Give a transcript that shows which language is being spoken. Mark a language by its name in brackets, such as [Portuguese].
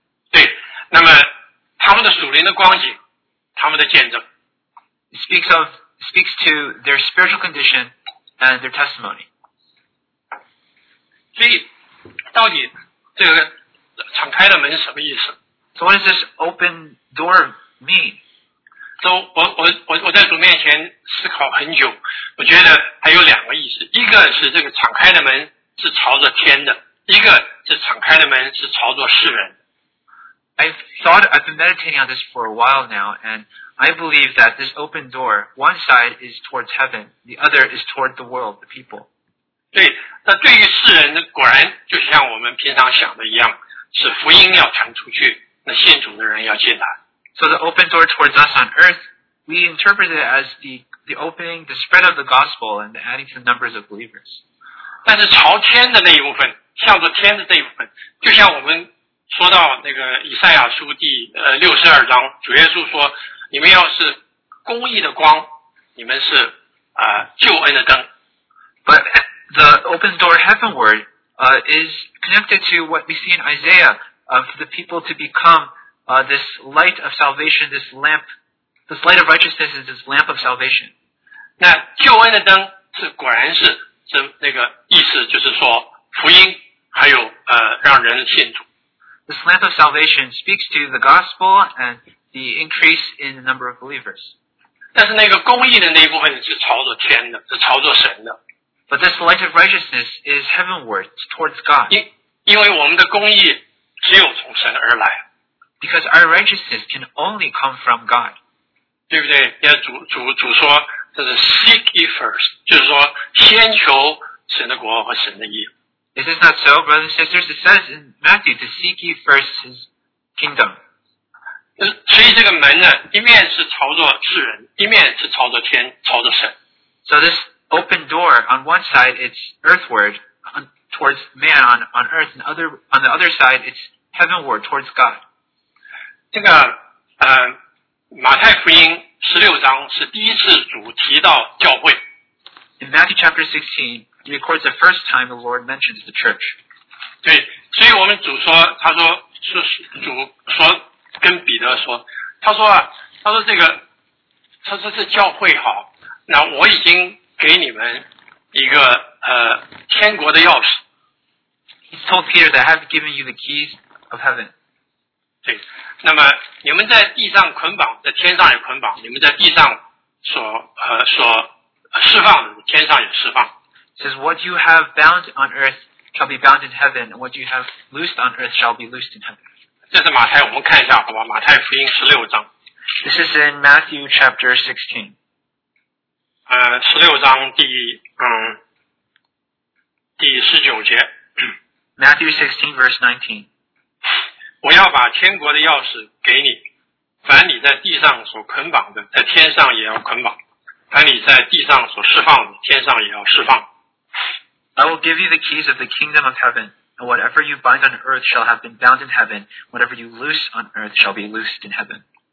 [Chinese] 对，那么他们的属灵的光景，他们的见证。 [English] It speaks to their spiritual condition and their testimony. [Chinese] 所以到底这个敞开的门是什么意思？ [English] So what does this open door mean? [Chinese] So 我在主面前思考很久，我觉得还有两个意思，一个是这个敞开的门是朝着天的。一个是敞开的门是朝着世人。 [English] I've been meditating on this for a while now, and I believe that this open door, one side is towards heaven, the other is toward the world, the people. [Chinese] 对，那对于世人的果然就像我们平常想的一样，是福音要传出去，那信主的人要进来。 [English] So the open door towards us on earth, we interpret it as the opening, the spread of the gospel, and adding to the numbers of believers. [Chinese] 但是朝天的那一部分向着天的这一部分，就像我们说到那个以赛亚书第62章，主耶稣说你们要是公义的光，你们是救恩的灯。 [English] But the open door heavenward is connected to what we see in Isaiah for the people to become this light of salvation, this lamp, this light of righteousness is this lamp of salvation. [Chinese] 那救恩的灯是果然是那个意思，就是说福音还有让人信主。 [English] This lamp of salvation speaks to the gospel and the increase in the number of believers. [Chinese] 但是那个公义的那一部分是朝着天的，是朝着神的。 [English] But this light of righteousness is heavenward, towards God. [Chinese] 因为我们的公义只有从神而来。 [English] Because our righteousness can only come from God. [Chinese] 对不对？要主说，这是 [English] seek ye first, [Chinese] 就是说先求神的国和神的义。 [English] Is this not so, brothers and sisters? It says in Matthew to seek ye first his kingdom. [Chinese] 所以这个门呢，一面是朝着世人，一面是朝着天，朝着神。 [English] So this open door, on one side it's earthward, towards man on earth, and on the other side it's heavenward, towards God. [Chinese] 这个马太福音16章是第一次主提到教会。 [English] In Matthew chapter 16, he records the first time the Lord mentions the church. [Chinese] 对，所以我们主说，他说是主说跟彼得说，他说啊，他说这个，他说这教会好，那我已经给你们一个天国的钥匙。 [English] He told Peter that I have given you the keys of heaven. [Chinese] 对，那么你们在地上捆绑，在天上也捆绑，你们在地上所释放的，天上也释放。 [English] Says what you have bound on earth. Shall be bound in heaven, and what you have loosed on earth shall be loosed in heaven. [Chinese] 这是马太，我们看一下，好吧？马太福音十六章。 [English] This is in Matthew chapter 16. [Chinese] 十六章第第十九节。 [English] Matthew 16 verse 19. [Chinese] 我要把天国的钥匙给你，凡你在地上所捆绑的，在天上也要捆绑；凡你在地上所释放的，天上也要释放。 [English] I will give you the keys of the kingdom of heaven, and whatever you bind on earth shall have been bound in heaven, whatever you loose on earth shall be loosed in heaven.